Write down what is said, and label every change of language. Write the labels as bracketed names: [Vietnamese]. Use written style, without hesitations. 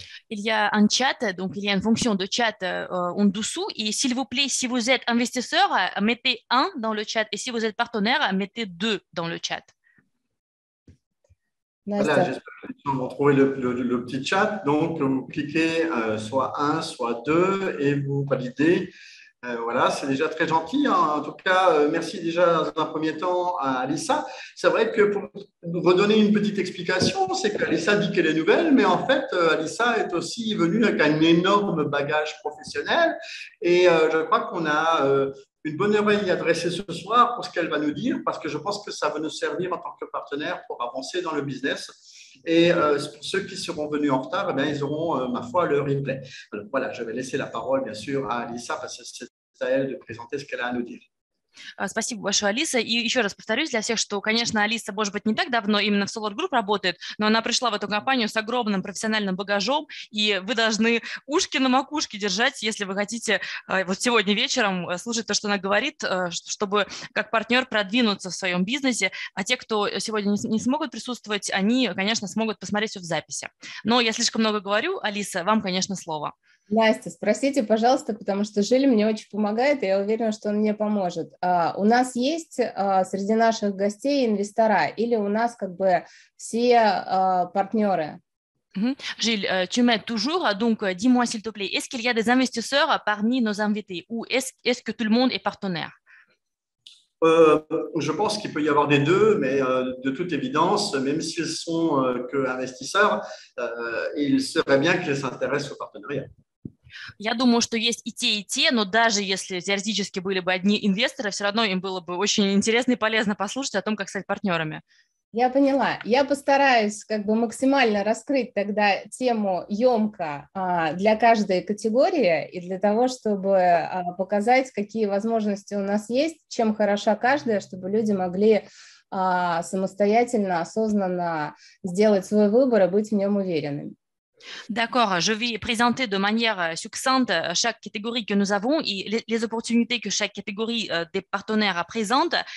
[French] Il y a un chat, donc il y a une fonction de chat en dessous. Et s'il vous plaît, si vous êtes investisseur, mettez 1 dans le chat. Et si vous êtes partenaire, mettez 2 dans le chat. Voilà, j'espère que vous avez trouvé le petit chat. Donc, vous cliquez soit 1, soit 2 et vous validez. Voilà, c'est déjà très gentil. Hein. En tout cas, merci déjà dans un premier temps à Alissa. C'est vrai que pour redonner une petite explication, c'est qu'Alissa dit qu'elle est nouvelle, mais en fait, Alissa est aussi venue avec un énorme bagage professionnel. Et je crois qu'on a une bonne oreille adressée ce soir pour ce qu'elle va nous dire, parce que je pense que ça va nous servir en tant que partenaire pour avancer dans le business. Et pour ceux qui seront venus en retard, eh bien, ils auront, ma foi, le replay. Alors, voilà, je vais laisser la parole, bien sûr, à Alissa, parce que c'est à elle de présenter ce qu'elle a à nous dire. [Russian] Спасибо большое, Алиса. И еще раз повторюсь для всех, что, конечно, Алиса, может быть, не так давно именно в Solar Group работает, но она пришла в эту компанию с огромным профессиональным багажом, и вы должны ушки на макушке держать, если вы хотите вот сегодня вечером слушать то, что она говорит, чтобы как партнер продвинуться в своем бизнесе. А те, кто сегодня не смогут присутствовать, они, конечно, смогут посмотреть все в записи. Но я слишком много говорю. Алиса, вам, конечно, слово. Настя, спросите, пожалуйста, потому что Жиль мне очень помогает, и я уверена, что он мне поможет. У нас есть среди наших гостей инвестора, или у нас как бы все партнеры? [French] Жиль, tu m'aides toujours, donc dis-moi s'il te plaît, est-ce qu'il y a des investisseurs parmi nos invités, ou est-ce que tout le monde est partenaire? Je pense qu'il peut y avoir des deux, mais de toute évidence, même s'ils ne sont qu'investisseurs, il serait bien qu'ils s'intéressent au partenariat. [Russian] Я думаю, что есть и те, но даже если теоретически были бы одни инвесторы, все равно им было бы очень интересно и полезно послушать о том, как стать партнерами. Я поняла. Я постараюсь как бы максимально раскрыть тогда тему емко для каждой категории и для того, чтобы показать, какие возможности у нас есть, чем хороша каждая, чтобы люди могли самостоятельно, осознанно сделать свой выбор и быть в нем уверенными. [French] D'accord, je vais présenter de manière succincte chaque catégorie que nous avons et les opportunités que chaque catégorie des partenaires présente.